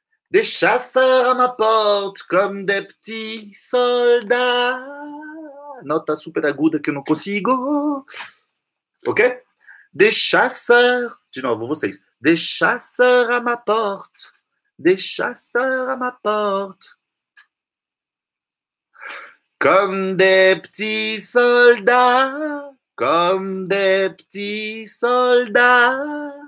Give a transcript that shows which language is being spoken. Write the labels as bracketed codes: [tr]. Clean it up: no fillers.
[fr] Des chasseurs à ma porte, comme des petits soldats. [pt] Nota super aguda que eu não consigo. Ok? [fr] Des chasseurs. [pt] De novo, vocês. [fr] Des chasseurs à ma porte. Des chasseurs à ma porte. Comme des petits soldats, comme des petits soldats.